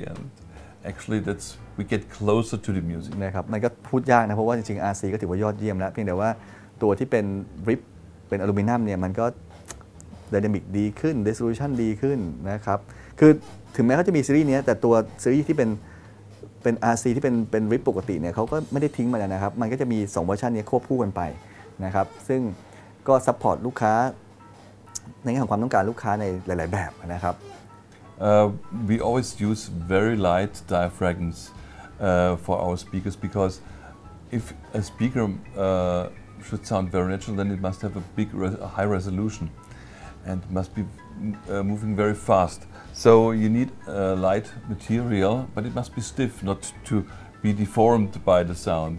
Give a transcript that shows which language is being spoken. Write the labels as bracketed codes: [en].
[en] And actually, that's we get closer to the music. [th] นะครับมันก็พูดยากนะเพราะว่าจริงๆ RC ก็ถือว่ายอดเยี่ยมแล้วเพียงแต่ว่าตัวที่เป็น RIP เป็นอลูมิเนียมเนี่ยมันก็ dynamic ดีขึ้น resolution ดีขึ้นนะครับคือถึงแม้เขาจะมีซีรีส์นี้แต่ตัวซีรีส์ที่เป็น RC ที่เป็น RIP ปกติเนี่ยเขาก็ไม่ได้ทิ้งมันนะครับมันก็จะมี2เวอร์ชันนี้ควบคู่กันไปนะครับซึ่งก็ซัพพอร์ตลูกค้าในแง่ของความต้องการลูกค้าในหลายๆแบบนะครับ [en] We always use very light diaphragms for our speakers because if a speaker should sound very natural, then it must have a big, high resolution and must be moving very fast. So you need a light material, but it must be stiff, not to be deformed by the sound.